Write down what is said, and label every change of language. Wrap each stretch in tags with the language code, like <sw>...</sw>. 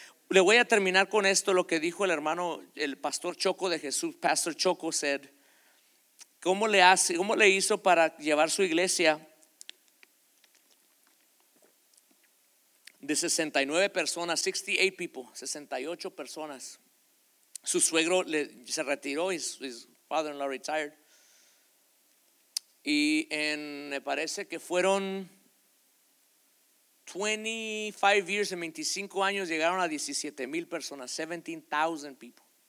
<es>Le voy a terminar con esto, lo que dijo el hermano, el pastor Choco de Jesús.</es> <en>Pastor Choco said,</en> <es>¿cómo le hizo para llevar su iglesia de 69 personas,</es> <en>68 people,</en> <es>68 personas? Su suegro se retiró,</es> <en>his father-in-law retired.</en> <es>Y me parece que fueron</es> <en>25 years,</en> <es>en 25 años llegaron a 17,000 personas,</es> <en>17,000 people.</en>